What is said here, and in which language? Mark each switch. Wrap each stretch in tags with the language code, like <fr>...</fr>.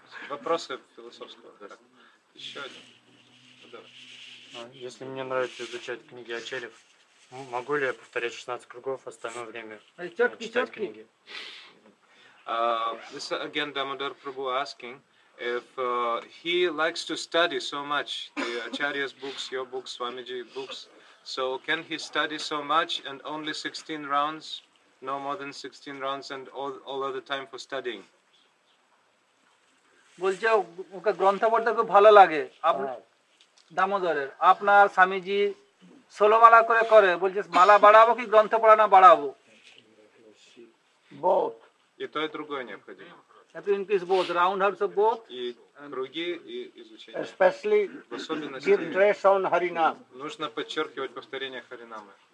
<ru>Вопросы философского характера. Еще один. Если мне нравится изучать книги о Ачарьев, могу ли я повторять 16 кругов в остальное время читать книги?</ru> <en>This again, Дамодар Прабху asking if he likes to study so much the Acharya's books, your books, Swamiji books. So can he study so much and only 16 rounds, no more than 16 rounds, and all other time for studying?</en> <bn>বলছে ওকে গ্রন্থ পড়তে খুব ভালো লাগে দামোদরের, আপনার স্বামীজি সোলোমালা করে করে, বলছে মালা বাড়াবো কি গ্রন্থ পড়া না বাড়াবো?</bn> <en>Both.</en> <ru>И то, и другое необходимо. Это</ru> <en>increase both, roundhouse of both.</en> <ru>И круги, и изучение.</ru> <en>Especially</en> <ru>в особенности</ru> <en>give stress on Харинам.</en> <ru>Нужно подчеркивать повторение Харинамы.</ru>